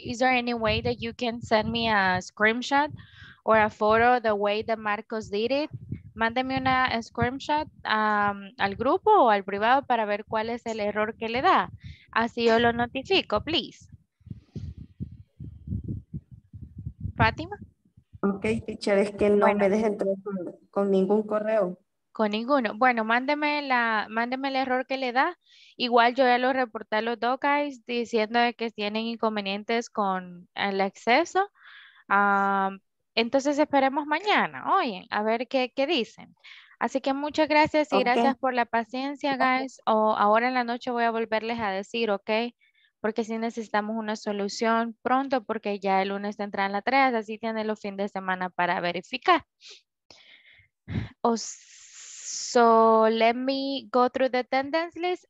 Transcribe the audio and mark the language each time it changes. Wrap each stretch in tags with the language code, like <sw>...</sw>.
<en>Is there any way that you can send me a screenshot or a photo the way that Marcos did it?</en> <es>Mándeme una screenshot al grupo o al privado para ver cuál es el error que le da. Así yo lo notifico, please. Fátima. Ok, teacher, es que no bueno. Me deja entrar con ningún correo. Con ninguno. Bueno, mándeme el error que le da. Igual yo ya lo reporté a los dos guys diciendo que tienen inconvenientes con el acceso. Entonces esperemos mañana, oye, a ver qué dicen. Así que muchas gracias y okay. Gracias por la paciencia, guys. O ahora en la noche voy a volverles a decir, ok, porque sí necesitamos una solución pronto, porque ya el lunes entra en la 3, así tienen los fines de semana para verificar.</es> <en>So let me go through the attendance list.</en>